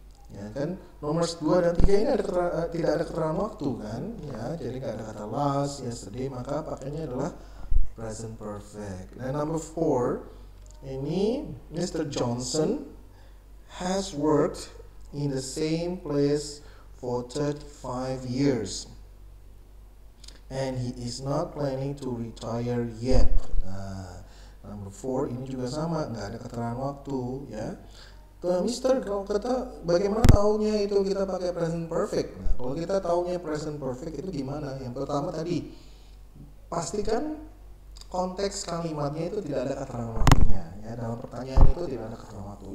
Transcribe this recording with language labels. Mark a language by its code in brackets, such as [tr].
[id] Ya kan, nomor 2 dan 3 ini ada tidak ada keterangan waktu, kan, ya, jadi nggak ada kata last, yesterday, maka pakainya adalah present perfect. Dan number 4 ini Mr. [en] Johnson has worked in the same place for 35 years and he is not planning to retire yet. [id] Nah, number 4 ini juga sama, nggak ada keterangan waktu, ya. Mister, kalau kita bagaimana taunya itu kita pakai present perfect? Nah, kalau kita taunya present perfect itu gimana? Yang pertama tadi, pastikan konteks kalimatnya itu tidak ada keterangan waktunya, ya, dalam pertanyaan itu tidak ada keterangan waktu.